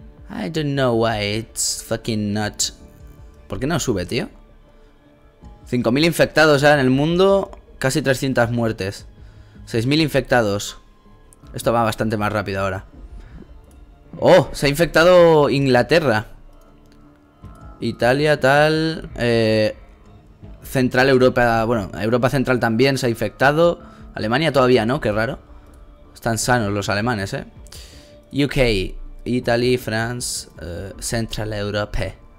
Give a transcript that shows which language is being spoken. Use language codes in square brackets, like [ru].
[en] I don't know why it's fucking not. [es] ¿Por qué no sube, tío? 5000 infectados ya en el mundo. Casi 300 muertes. 6000 infectados. Esto va bastante más rápido ahora. Oh, se ha infectado Inglaterra. Italia, tal. Central Europa, bueno, Europa Central también se ha infectado. Alemania todavía no, qué raro. Están sanos los alemanes, ¿eh? [en] UK, Italy, France, Central Europe.